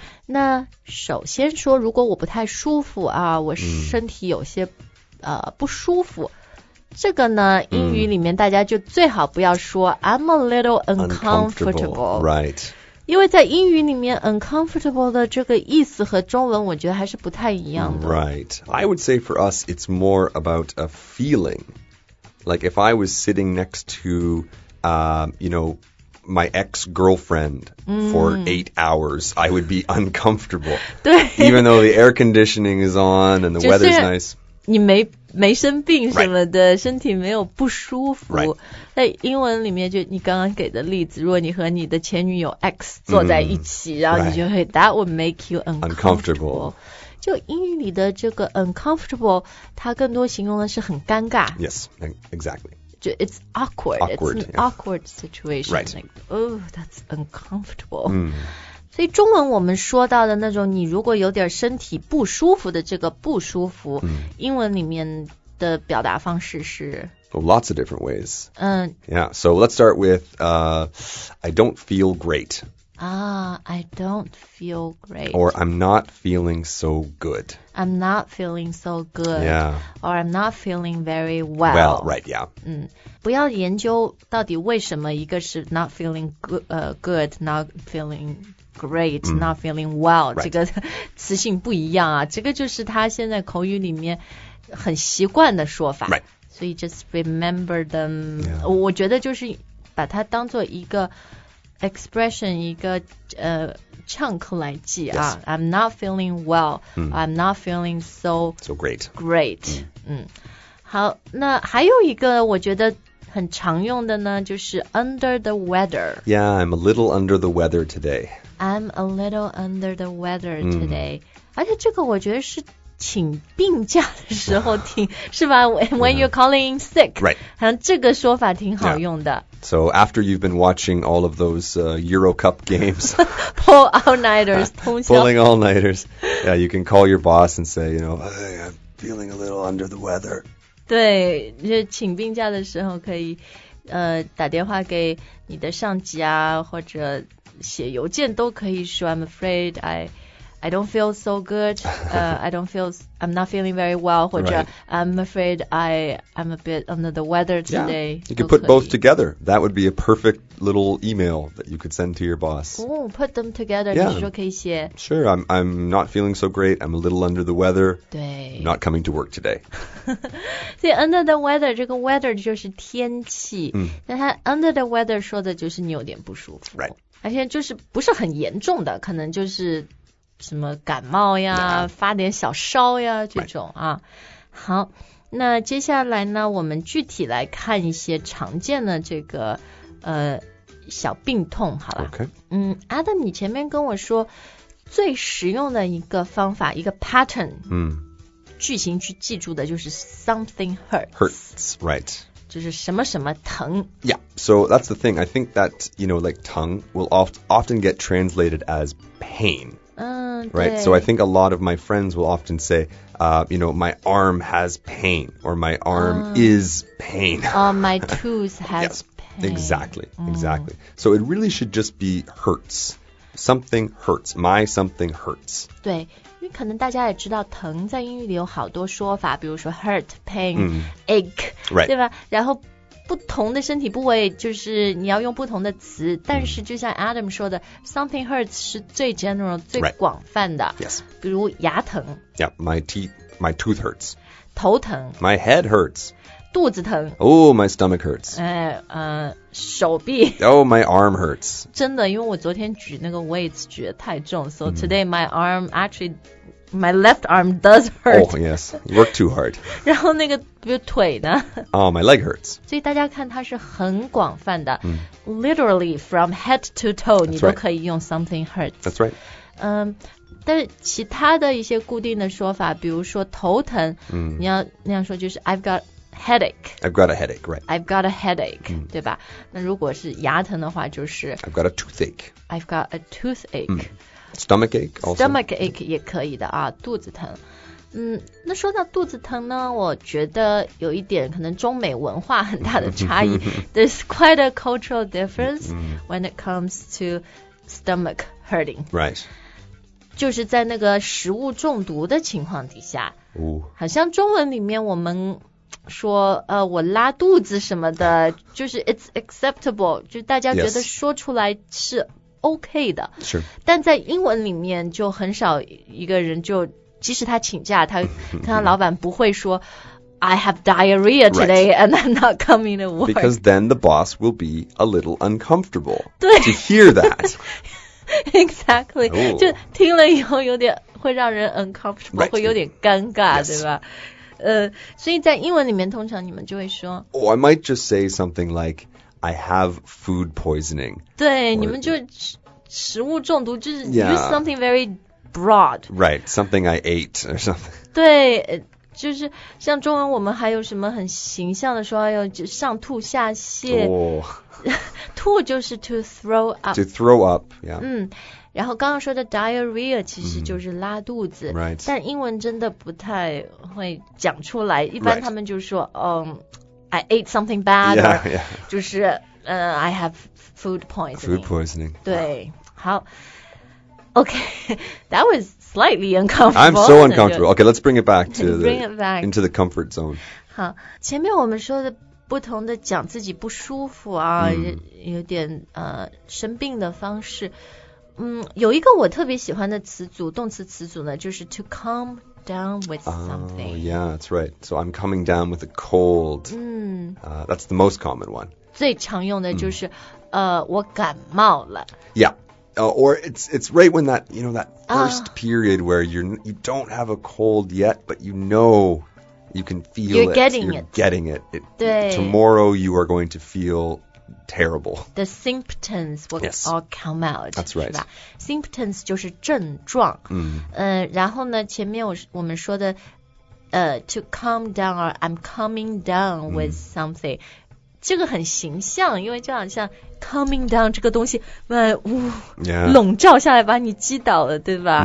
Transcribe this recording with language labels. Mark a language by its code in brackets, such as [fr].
[zh] 那首先说，如果我不太舒服啊，我身体有些不舒服，这个呢英语里面大家就最好不要说 [en] I'm a little uncomfortable, right? [zh] 因为在英语里面 uncomfortable 的这个意思和中文我觉得还是不太一样的。 [en] Right. I would say for us it's more about a feeling. Like if I was sitting next to, you know,my ex-girlfriend for 8 hours, I would be uncomfortable. [zh] 对 [en] Even though the air conditioning is on and the weather is nice. [zh] 你没生病什么的、 [en] right. [zh] 身体没有不舒服。 [en] Right. [zh] 在英文里面就你刚刚给的例子，如果你和你的前女友 X 坐在一起、然后你就会、 [en] right. That would make you uncomfortable. [zh] 就英语里的这个 uncomfortable, 它更多形容的是很尴尬。 [en] Yes, exactly. It's awkward. It's an awkward situation. Right. Like, oh, that's uncomfortable. [zh] 所以中文我们说到的那种你如果有点身体不舒服的这个不舒服、英文里面的表达方式是 [en] Oh, lots of different ways. Yeah, so let's start with, I don't feel great. Ah, I don't feel great. Or I'm not feeling so good. I'm not feeling so good. Yeah. Or I'm not feeling very well. Well, right, yeah. [zh] 不要研究到底为什么一个是 [en] not feeling good, not feeling great, not feeling well,、 right. [zh] 这个词性不一样啊。这个就是他现在口语里面很习惯的说法。 [en] Right. [zh] 所以 [en] just remember them.、 Yeah. [zh] 我觉得就是把它当做一个expression 一个chunk 来记啊、 [en] yes. I'm not feeling well、I'm not feeling so great [zh] great、好那还有一个我觉得很常用的呢就是 [en] under the weather yeah I'm a little under the weather today I'm a little under the weather today、 [zh] 而且这个我觉得是请病假的时候听是吧 [en] when you're calling sick、 right. [zh] 好像这个说法挺好用的、 [en] So after you've been watching all of those Euro Cup games, pull all-nighters, [zh] 通宵 [en] pulling all-nighters, yeah, you can call your boss and say, you know, hey, I'm feeling a little under the weather. [zh] 对，就请病假的时候可以打电话给你的上级啊，或者写邮件都可以说 [en] I'm afraid I don't feel so good. I'm not feeling very well. [zh] 或者 [en] I'm afraid I'm a bit under the weather today. Yeah, you could put both together. That would be a perfect little email that you could send to your boss. Oh, put them together. Yeah. [zh] 你说可以写。 [en] Sure. I'm not feeling so great. I'm a little under the weather. [zh] 对。 [en] Not coming to work today. [zh] 所以 [en] under the weather, [zh] 这个 weather 就是天气。那它 under the weather 说的就是你有点不舒服。 [en] Right. [zh] 而且就是不是很严重的，可能就是什么感冒呀、发点小烧呀这种啊、好那接下来呢我们具体来看一些常见的这个小病痛好了、 [en] okay. [zh] Adam 你前面跟我说最实用的一个方法一个 pattern 句型去记住的就是 [en] something hurts right [zh] 就是什么什么疼 [en] yeah so that's the thing I think that you know like tongue will often get translated as painright, so I think a lot of my friends will often say, you know, my arm has pain, or my arm is pain. My tooth has yes, pain. Exactly, exactly. So it really should just be hurts. Something hurts. My something hurts. [zh] 对，因为可能大家也知道，疼在英语里有好多说法，比如说 [en] hurt, pain, ache, right. [zh] 对吧？然后不同的身体部位就是你要用不同的词、嗯、但是就像 Adam 说的 [en] something hurts [zh] 是最 general 最广泛的、 [en] right. yes. [zh] 比如牙疼 [en] yeah, my tooth hurts [zh] 头疼 [en] my head hurts [zh] 肚子疼 [en] oh my stomach hurts [zh] 手臂 [en] oh my arm hurts [zh] 真的因为我昨天举那个 [en] weights [zh] 举得太重 [en] so today、mm. my arm actuallyMy left arm does hurt. Oh, yes. Work too hard. [zh] 然后那个比如腿呢 [en] Oh, my leg hurts. [zh] 所以大家看它是很广泛的、mm. [en] Literally from head to toe、 That's、 [zh] 你都、 [en] right. [zh] 可以用 [en] something hurts. That's right. [zh] 但是其他的一些固定的说法比如说头疼、mm. 你要那样说就是 [en] I've got headache. I've got a headache, right. I've got a headache,、mm. [zh] 对吧那如果是牙疼的话就是 [en] I've got a toothache. I've got a toothache.、Mm. Stomach ache also. Stomach ache [zh] 也可以的啊，肚子疼。嗯，那说到肚子疼呢，我觉得有一点可能中美文化很大的差异。 [en] There's quite a cultural difference when it comes to stomach hurting. Right. [zh] 就是在那个食物中毒的情况底下。哦。好像中文里面我们说我拉肚子什么的，就是 [en] it's acceptable， [zh] 就大家觉得说出来是。 [en] Yes. [zh] OK 的是但在英文里面就很少一个人就即使他请假他看到老板不会说 [en] I have diarrhea today、 right. and I'm not coming to work because then the boss will be a little uncomfortable [zh] 对 [en] to hear that exactly、oh. [zh] 就听了以后有点会让人 uncomfortable、 [en] right. [zh] 会有点尴尬、 [en] yes. [zh] 对吧所以在英文里面通常你们就会说 [en] or、oh, I might just say something likeI have food poisoning. [zh] 对 or, 你们就 食物中毒就是 [en] use something very broad. Right, something I ate or something. [zh] 对就是像中文我们还有什么很形象的说哎呦就上吐下泻。 [en] Oh. [zh] 吐就是 [en] to throw up. To throw up, yeah. [zh] 嗯然后刚刚说的 diarrhea 其实就是拉肚子。 [en] Mm-hmm. Right. [zh] 但英文真的不太会讲出来一般他们就说、 [en] right. I ate something bad, yeah, yeah. [zh] 就是 [en] I have food poisoning. Food poisoning. [zh] 对、wow. 好 [en] Okay, that was slightly uncomfortable. I'm so uncomfortable. Okay, let's bring it back to bring the, it back. into the comfort zone. [zh] 好前面我们说的不同的讲自己不舒服啊、mm. 有点生病的方式有一个我特别喜欢的词组动词词组呢就是 [en] to calmdown with something. Oh, yeah, that's right. So I'm coming down with a cold. That's the most common one. [zh] 最常用的就是、mm. 我感冒了。 [en] Yeah. Or it's right when that, you know, that first period where you don't have a cold yet, but you know you can feel you're it. You're getting it. [zh] It. 对。 [en] Tomorrow you are going to feel terrible. The symptoms will、 yes. all come out. That's right. [zh] Symptoms 就是症状、 mm. 然后呢前面我们说的 [en] to calm down or I'm coming down with something、 [zh] mm. 这个很形象因为就好像 [en] coming down [zh] 这个东西笼罩下来把你击倒了对吧、